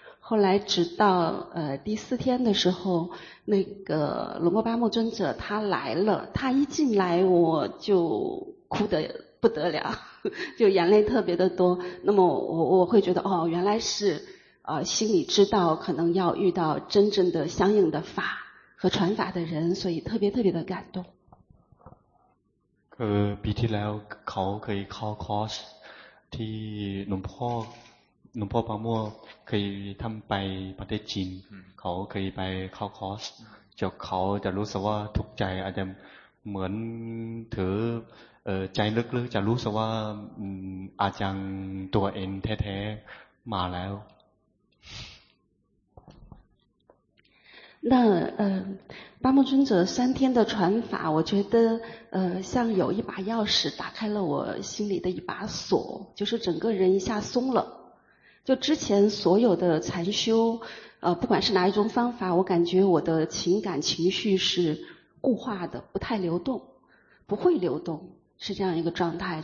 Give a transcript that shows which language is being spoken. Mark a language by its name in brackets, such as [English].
[Chinese] 后来直到第四天的时候，那个龙波巴木尊者他来了，他一进来我就哭得不得了，就眼泪特别的多。那么我会觉得原来是心里知道可能要遇到真正的相应的法和传法的人，所以特别特别的感动。 [Thai] ปีที่แล้วเขาเคยเข้าคอร์สที่หลวงพ่อปาโมเคยทำไปประเทศจีนเขาเคยไปเข้าคอร์สจากเขาจะรู้สึกว่าทุกข์ใจอาจจะเหมือนถือใจลึกๆจะรู้สึกว่าอาจารย์ตัวเองแท้ๆมาแล้ว [Chinese] 那巴木尊者三天的传法，我觉得像有一把钥匙打开了我心里的一把锁，就是整个人一下松了。就之前所有的禅修，不管是哪一种方法，我感觉我的情感情绪是固化的，不太流动，不会流动，是这样一个状态。